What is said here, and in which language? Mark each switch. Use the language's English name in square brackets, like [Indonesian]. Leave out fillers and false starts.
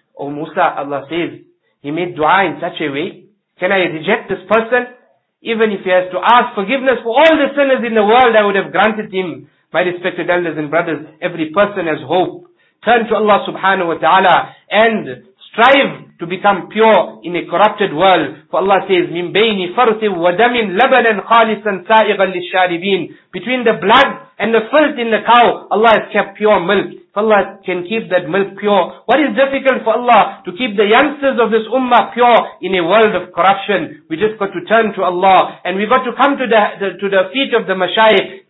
[English] Oh Musa, Allah says, he made dua in such a way, can I reject this person? Even if he has to ask forgiveness for all the sinners in the world, I would have granted him. My respected elders and brothers, every person has hope. Turn to Allah subhanahu wa ta'ala and strive to become pure in a corrupted world. For Allah says, [Arabic] مِن بَيْنِ فَرْثٍ وَدَمٍ لَبَنًا خَالِصًا سَائِغًا لِلشَّارِبِينَ. [English] Between the blood and the filth in the cow, Allah has kept pure milk. If Allah can keep that milk pure, what is difficult for Allah to keep the youngsters of this ummah pure in a world of corruption? We just got to turn to Allah and we got to come to the feet of the mashayikh.